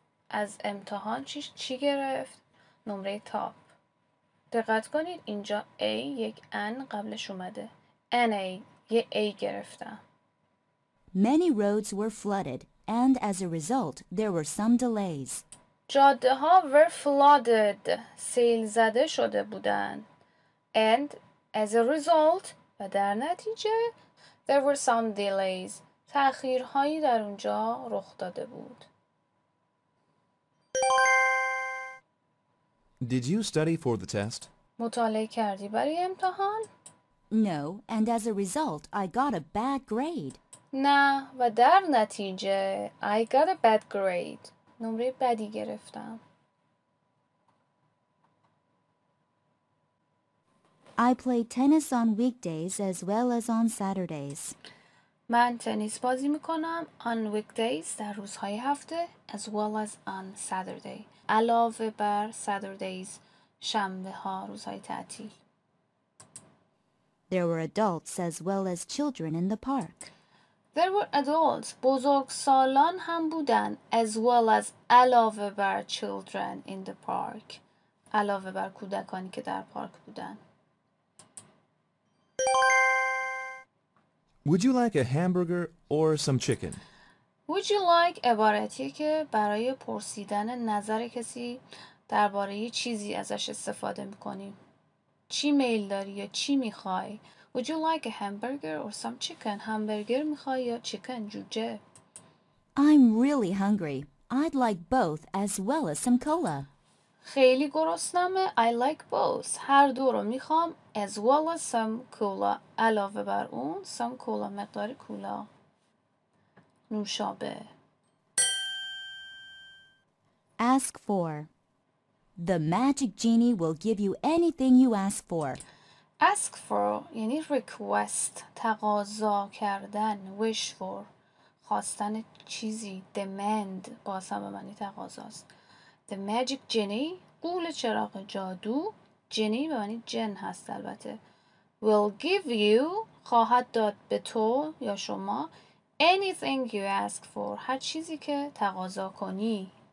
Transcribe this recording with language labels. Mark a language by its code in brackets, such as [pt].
[fa] از امتحان چی گرفت؟ نمره تاپ. دقت کنید اینجا A یک N قبلش اومده. NA یه A گرفتم. [en] Many roads were flooded and as a result there were some delays. [fa] جاده ها [en] were flooded، [fa] سیل زده شده بودن. [en] And as a result [fa] و در نتیجه [en] there were some delays، [fa] تأخیرهایی در اونجا رخ داده بود. [en] Did you study for the test? [fa] مطالعه کردی برای امتحان؟ [en] No, and as a result, I got a bad grade. [fa] نه، و در نتیجه [en] I got a bad grade. [fa] نمره بدی گرفتم. [en] I play tennis on weekdays as well as on Saturdays. [fa] من تنیس بازی میکنم [en] on weekdays [fa] در روزهای هفته [en] as well as on Saturday. [fa] علاوه بر Saturdays شنبه ها روزهای تعطیل. [en] There were adults as well as children in the park. There were adults، [fa] بزرگسالان هم بودن [en] as well as [fa] علاوه بر [en] children in the park، [fa] علاوه بر کودکانی که در پارک بودن. [en] Would you like a hamburger or some chicken? [fa] Would you like عبارتیه که برای پرسیدن نظر کسی درباره چیزی ازش استفاده میکنیم. چی میل داری یا چی میخوای؟ [en] Would you like a hamburger or some chicken? [fa] همبرگر میخوای یا چیکن، جوجه؟ [en] I'm really hungry. I'd like both as well as some cola. [fa] خیلی گرسنمه. [en] I like both. [fa] هر دو رو میخوام [en] as well as some cola. [fa] علاوه بر اون [en] some cola، [fa] مقدار کولا. نوشابه. [en] Ask for. The magic genie will give you anything you ask for. [fa] Ask for یعنی request، تقاضا کردن، wish for، خواستن چیزی، demand، باز هم به معنی تقاضاست. [en] The magic genie، [fa] قول چراغ جادو، genie به معنی جن هست البته، [en] will give you، [fa] خواهد داد به تو یا شما، [en] anything you ask for، [fa] هر چیزی که تقاضا کنی.